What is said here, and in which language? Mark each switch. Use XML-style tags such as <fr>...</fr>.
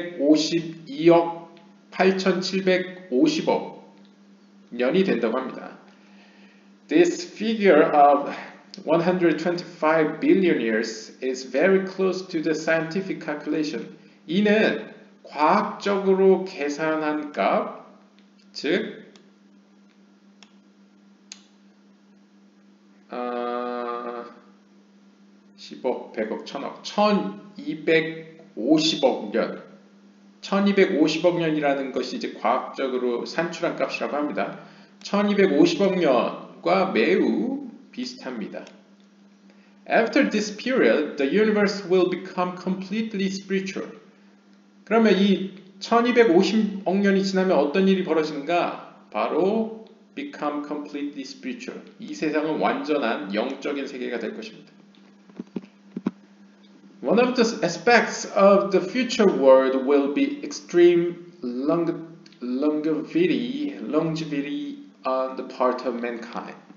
<ko>1252억 8750억 년이 된다고 합니다.</ko> <en>This figure of 125 billion years is very close to the scientific calculation.</en> <ko>이는 과학적으로 계산한 값, 즉, 10억, 100억, 1000억, 1250억 년. 1250억 년이라는 것이 이제 과학적으로 산출한 값이라고 합니다. 1250억 년과 매우 비슷합니다.</ko> <en>After this period, the universe will become completely spiritual.</en> <ko>그러면 이 1250억 년이 지나면 어떤 일이 벌어지는가? 바로</ko> <en>become completely spiritual.</en> <ko>이 세상은 완전한 영적인 세계가 될 것입니다.</ko> <en>One of the aspects of the future world will be extreme longevity on the part of mankind.</en>